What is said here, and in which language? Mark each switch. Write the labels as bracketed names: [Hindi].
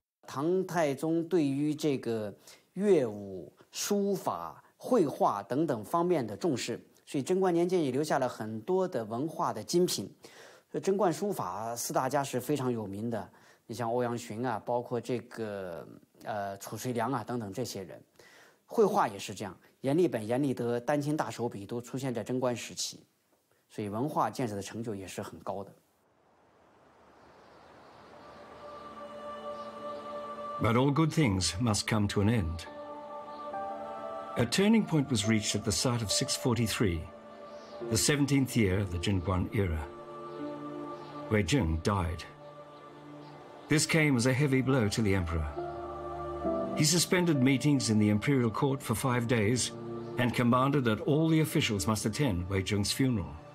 [English] Tang Taizong was very interested in the music, writing, and writing. [Chinese] 贞观书法四大家是非常有名的，你像欧阳询啊，包括这个褚遂良啊等等这些人，绘画也是这样，阎立本、阎立德、丹青大手笔都出现在贞观时期，所以文化建设的成就也是很高的。 [English] But all good things must come to an end. A turning point was reached at the start of 643, the 17th year of the Jinguan era. Wei Jing died. This came as a heavy blow to the emperor. He suspended meetings in the imperial court for 5 days and commanded that all the officials must attend Wei Jing's funeral.